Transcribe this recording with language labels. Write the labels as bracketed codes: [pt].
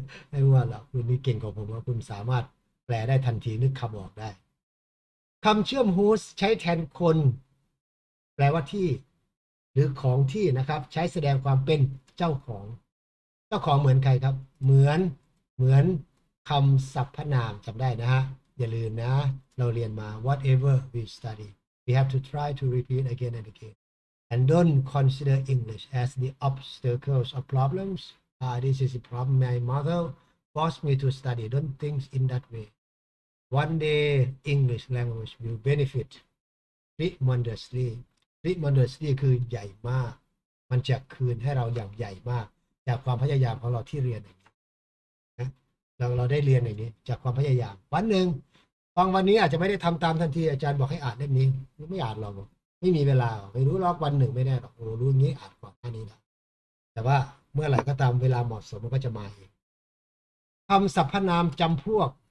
[th] ไม่ว่าหรอกคุณนี่เก่งกว่าผมว่าคุณสามารถแปลได้ทันทีนึกคำออกได้คำเชื่อม whose ใช้แทนคนแปลว่าที่หรือของที่นะครับใช้แสดงความเป็นเจ้าของเจ้าของเหมือนใครครับเหมือนคำสรรพนามจำได้นะฮะอย่าลืมนะเราเรียนมา [en] whatever we studyWe have to try to repeat again and again, and don't consider English as the obstacles or problems. This is a problem my mother forced me to study. Don't think in that way. One day, English language will benefit tremendously. Tremendously [th] คือใหญ่มากมันจะคืนให้เราอย่างใหญ่มากจากความพยายามของเราที่เรียนอย่างนี้นะเราได้เรียนอย่างนี้จากความพยายามวันหนึ่งฟังวันนี้อาจจะไม่ได้ทำตามทันทีอาจารย์บอกให้อ่านเล่มนี้ไม่อ่านหรอกไม่มีเวลาไม่รู้หรอกวันหนึ่งไม่แน่หรอกโอ้รู้งี้อ่านก่อนแค่นี้นะแต่ว่าเมื่อไหร่ก็ตามเวลาเหมาะสมมันก็จะมาเองคำสรรพนามจำพวก